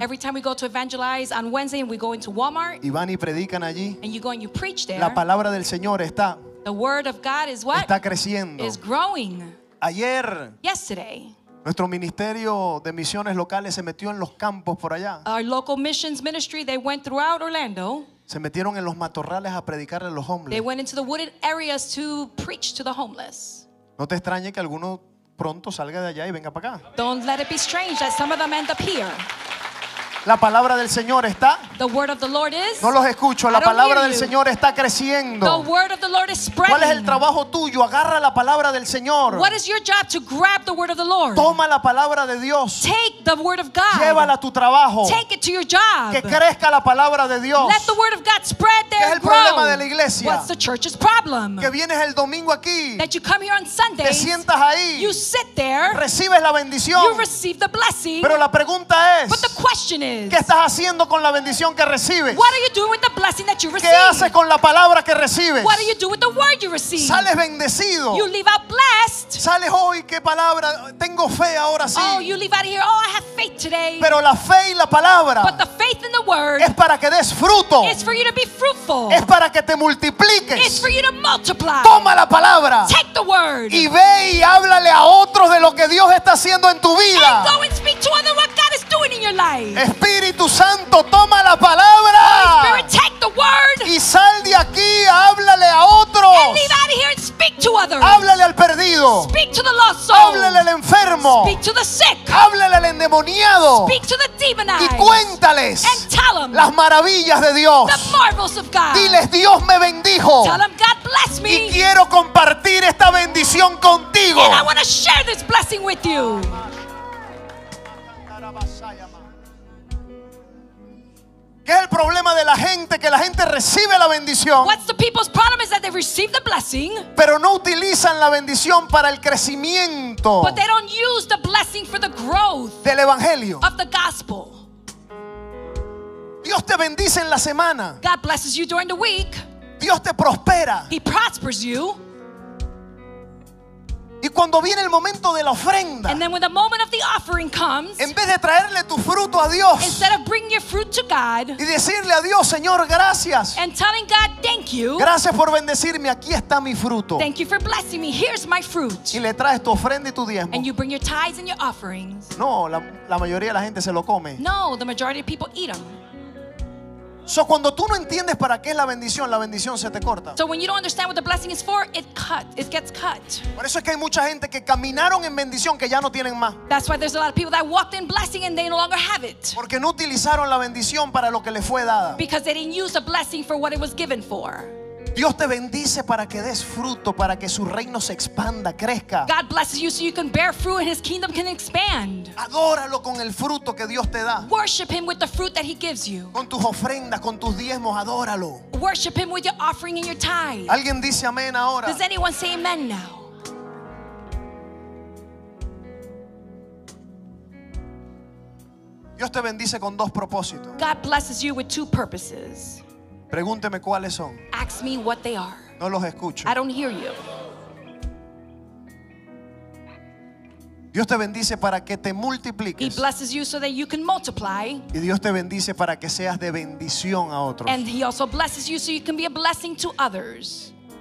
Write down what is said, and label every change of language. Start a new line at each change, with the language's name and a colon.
English: Every time we go to evangelize on Wednesday and we go into Walmart.
Spanish: Y van y predican allí.
English: And you go and you preach there.
Spanish: La palabra del Señor está.
English: The word of God is what?
Spanish: Está creciendo.
English: Is growing.
Spanish: Ayer.
English: Yesterday.
Spanish: Nuestro ministerio de misiones locales se metió en los campos por allá.
English: Our local missions ministry, they went throughout Orlando.
Spanish: Se metieron en los matorrales a predicarle a los homeless.
English: They went into the wooded areas to preach to the homeless.
Spanish: No te extrañe que alguno pronto salga de allá y venga para acá.
English: Don't let it be strange that some of them end up here.
Spanish: La palabra del Señor está.
English: The word of the Lord is.
Spanish: No los escucho. La palabra del Señor está creciendo.
English: The word of the Lord is spreading.
Spanish: ¿Cuál es el trabajo tuyo? Agarra la palabra del Señor.
English: What is your job? To grab the word of the Lord.
Spanish: Toma la palabra de Dios.
English: Take the word of God.
Spanish: Llévala a tu trabajo.
English: Take it to your job.
Spanish: Que crezca la palabra de Dios.
English: Let the word of God spread there.
Spanish: ¿Qué es el problema de la iglesia?
English: What's the church's problem?
Spanish: Que vienes el domingo aquí.
English: That you come here on Sundays.
Spanish: Te sientas ahí.
English: You sit there.
Spanish: Recibes la bendición.
English: You receive the blessing.
Spanish: Pero la pregunta es.
English: But the question is.
Spanish: ¿Qué estás haciendo con la bendición que recibes?
English: What are you doing with the blessing that you receive?
Spanish: ¿Qué haces con la palabra que recibes?
English: What are you doing with the word you receive?
Spanish: Sales bendecido.
English: You leave out blessed.
Spanish: Sales hoy, qué palabra, tengo fe ahora sí.
English: Oh, you leave out of here, oh, I have faith today.
Spanish: Pero la fe y la palabra.
English: But the faith and the word.
Spanish: Es para que des fruto.
English: It's for you to be fruitful.
Spanish: Es para que te multipliques.
English: It's for you to multiply.
Spanish: Toma la palabra.
English: Take the word.
Spanish: Y ve y háblale a otros de lo que Dios está haciendo en tu vida.
English: And go and speak to others what God is doing in your life.
Spanish: Espíritu Santo, toma la palabra.
English: Holy Spirit, take the word.
Spanish: Y sal de aquí, háblale a otros.
English: And leave out of here and speak to others.
Spanish: Háblale al perdido.
English: Speak to the lost soul.
Spanish: Háblale al enfermo.
English: Speak to the sick.
Spanish: Háblale al endemoniado.
English: Speak to the demonized.
Spanish: Y cuéntales.
English: And tell them.
Spanish: Las maravillas de Dios.
English: The marvels of God.
Spanish: Diles, Dios me bendijo.
English: Tell them, God bless me.
Spanish: Y quiero compartir esta bendición contigo.
English: And I want to share this blessing with you.
Spanish: ¿Qué es el problema de la gente? Que la gente recibe la bendición.
English: What's the people's problem is that they receive the blessing.
Spanish: Pero no utilizan la bendición para el crecimiento.
English: But they don't use the blessing for the growth.
Spanish: Del evangelio.
English: Of the gospel.
Spanish: Dios te bendice en la semana.
English: God blesses you during the week.
Spanish: Dios te prospera.
English: He prospers you.
Spanish: Y cuando viene el momento de la ofrenda,
English: and then when the moment of the offering comes,
Spanish: en vez de traerle tu fruto a Dios,
English: instead of bringing your fruit to God,
Spanish: y decirle a Dios, Señor, gracias,
English: and telling God, thank you,
Spanish: gracias por bendecirme, aquí está mi fruto,
English: thank you for blessing me, here's my fruit,
Spanish: y le traes tu ofrenda y tu diezmo,
English: and you bring your tithes and your offerings,
Spanish: no, la mayoría de la gente se lo come.
English: No, the majority of people eat them.
Spanish: So cuando tú no entiendes para qué es la bendición se te corta.
English: So when you don't understand what the blessing is for, it gets cut.
Spanish: Por eso es que hay mucha gente que caminaron en bendición que ya no tienen más.
English: That's why there's a lot of people that walked in blessing and they no longer have it.
Spanish: Porque no utilizaron la bendición para lo que les fue dada.
English: Because they didn't use the blessing for what it was given for.
Spanish: Dios te bendice para que des fruto, para que su reino se expanda, crezca.
English: God blesses you so you can bear fruit and his kingdom can expand.
Spanish: Adóralo con el fruto que Dios te da.
English: Worship him with the fruit that he gives you.
Spanish: Con tus ofrendas, con tus diezmos, adóralo.
English: Worship him with your offering and your tithe.
Spanish: ¿Alguien dice amén ahora?
English: Does anyone say amen now?
Spanish: Dios te bendice con dos propósitos.
English: God blesses you with two purposes.
Spanish: Pregúnteme cuáles son.
English: Ask me what they are.
Spanish: No los escucho.
English: I don't hear you.
Spanish: Dios te bendice para que te multipliques.
English: He blesses you so that you can multiply.
Spanish: Y Dios te bendice para que seas de bendición a otros.
English: And he also blesses you so you can be a blessing to others.